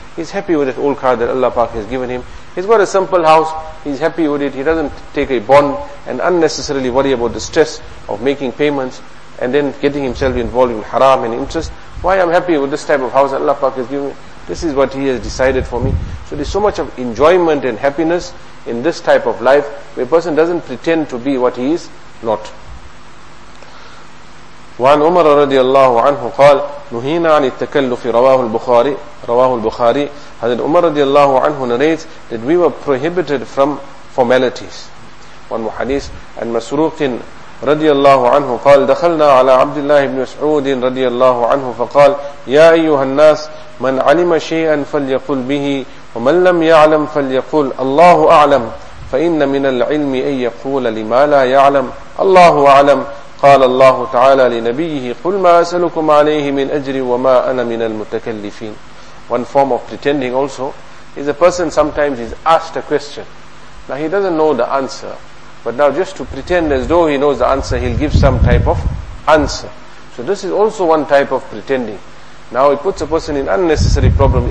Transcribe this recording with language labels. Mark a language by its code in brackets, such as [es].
[en] He's happy with that old car that Allah Pak has given him. He's got a simple house, he's happy with it, he doesn't take a bond and unnecessarily worry about the stress of making payments and then getting himself involved in haram and interest. Why I'm happy with this type of house that Allah Pak has given me? This is what he has decided for me. So there's so much of enjoyment and happiness in this type of life where a person doesn't pretend to be what he is not. [ar] وعن عمر رضي الله عنه قال نهينا عن التكلف رواه البخاري حضرت عمر رضي الله عنه [en] narrates that we were prohibited from formalities. [ar] One more hadith. And مسروق رضي الله عنه قال دخلنا على عبد الله بن مسعود رضي الله عنه فقال يا أيها الناس من علم شيئا فليقل به ومن لم يعلم فليقل الله أعلم فإن من العلم أن يقول لما لا يعلم الله أعلم قال الله تعالى لنبيه قل ما أسألكم عليه من أجر وما أنا من المتكلفين. [en] One form of pretending also is a person sometimes is asked a question. Now he doesn't know the answer, but now just to pretend as though he knows the answer, he'll give some type of answer. So this is also one type of pretending. Now it puts a person in unnecessary problem.